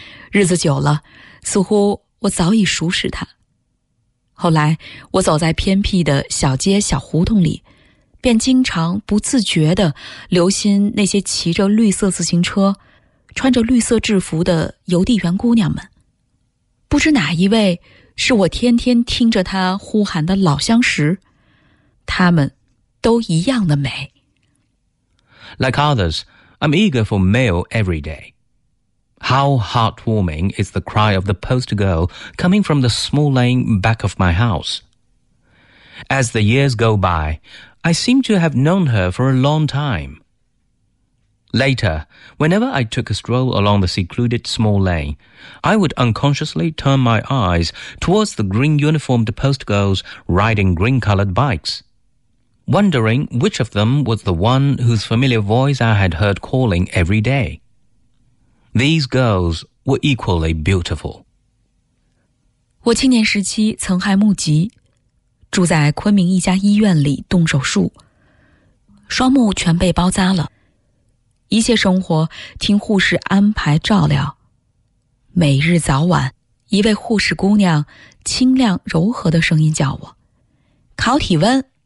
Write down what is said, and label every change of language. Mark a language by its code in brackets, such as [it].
[zh] 日子久了，似乎我早已熟识她。后来，我走在偏僻的小街小胡同里，便经常不自觉地留心那些骑着绿色自行车、穿着绿色制服的邮递员姑娘们。不知哪一位是我天天听着她呼喊的老相识，她们都一样的美。 [en] Like others, I'm eager for mail every day. How heartwarming is the cry of the post girl coming from the small lane back of my house. As the years go by, I seem to have known her for a long time. Later, whenever I took a stroll along the secluded small lane, I would unconsciously turn my eyes towards the green-uniformed post girls riding green-colored bikes. Wondering which of them was the one whose familiar voice I had heard calling every day. These girls were equally beautiful. [zh] 我青年时期曾害目疾，住在昆明一家医院里动手术，双目全被包扎了，一切生活听护士安排照料。每日早晚，一位护士姑娘清亮柔和的声音叫我，考体温。